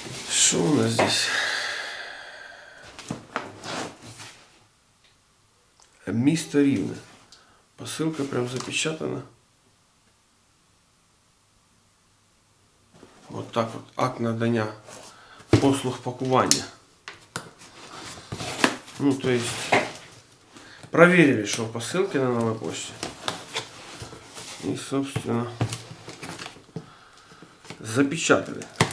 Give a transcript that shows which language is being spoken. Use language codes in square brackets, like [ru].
[ru] Что у нас здесь? Мистер Ривна. Посылка прям запечатана. Вот так вот. [uk] Акт надання послуг пакування. [ru] Ну, то есть... Проверили, что в посылке на новой почте. И, собственно, запечатали.